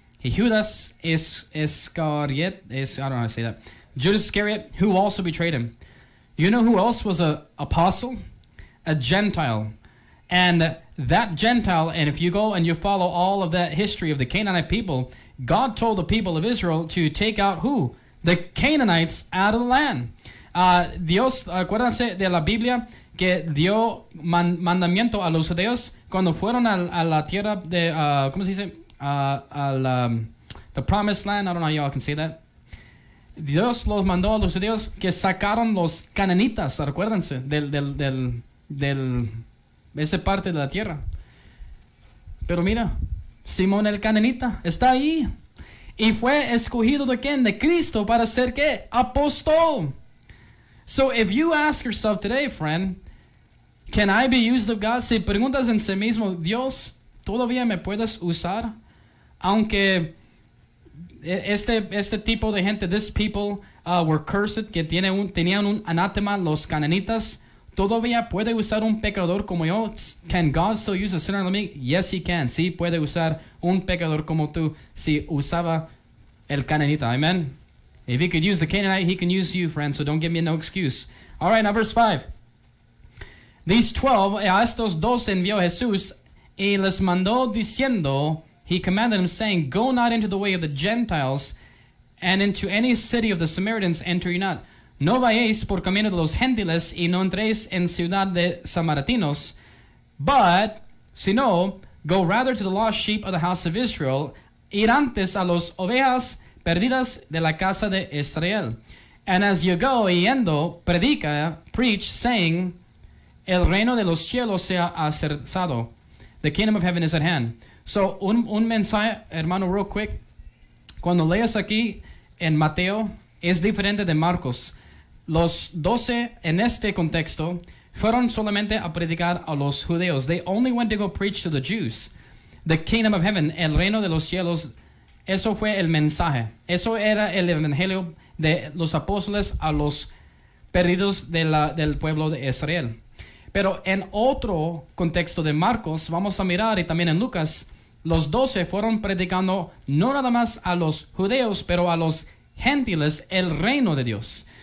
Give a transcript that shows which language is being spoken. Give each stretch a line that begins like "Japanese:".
English: Judas Iscariot, Judas Iscariot, who also betrayed him. You know who else was an apostle? A Gentile. And that Gentile, and if you go and you follow all of that history of the Canaanite people, God told the people of Israel to take out who? The Canaanites out of the land.
Spanish: Dios, acuérdense de la Biblia, que dio mandamiento a los judíos cuando fueron a la tierra de, ¿cómo se dice?
English: The promised land. I don't know how y'all can say that.
Spanish: Dios los mandó a los judíos que sacaron los cananitas, acuérdense, del esa parte de la tierra. Pero mira, Simón el Cananita está ahí. Y fue escogido de quién? De Cristo para ser qué?
English: Apóstol. So if you ask yourself today, friend, can I be used of God?
Spanish: Si preguntas en sí mismo, Dios, ¿todavía me puedes usar? Aunque este tipo de gente,
English: this people were cursed,
Spanish: que tenían un anatema, los cananitas, ¿todavía puede usar un pecador como yo?
English: Can God still use a sinner like me? Yes, he can.
Spanish: Sí, puede usar un pecador como tú si usaba el cananita.
English: Amen. If he could use the Canaanite, he can use you, friend. So don't give me no excuse. All right, now verse 5. These 12,
Spanish: a estos dos envió Jesús y les mandó diciendo...
English: He commanded him, saying, Go not into the way of the Gentiles, and into any city of the Samaritans enter ye not.
Spanish: No vayáis por camino de los gentiles, y no entréis en ciudad de Samaritanos.
English: But, sino, go rather to the lost sheep of the house of Israel,
Spanish: ir antes a los ovejas perdidas de la casa de Israel.
English: And as you go,
Spanish: yendo, predica,
English: preach, saying,
Spanish: El reino de los cielos se ha acercado.
English: The kingdom of heaven is at hand. So,
Spanish: un mensaje, hermano,
English: real quick.
Spanish: Cuando lees aquí en Mateo, es diferente de Marcos. Los 12, en este contexto, fueron solamente a predicar a los judíos.
English: They only went to go preach to the Jews. The kingdom of heaven,
Spanish: el reino de los cielos, eso fue el mensaje. Eso era el evangelio de los apóstoles a los perdidos de del pueblo de Israel. Pero en otro contexto de Marcos, vamos a mirar, y también en Lucas, los 12 fueron predicando no nada más a los judíos, pero a los gentiles, el reino de Dios.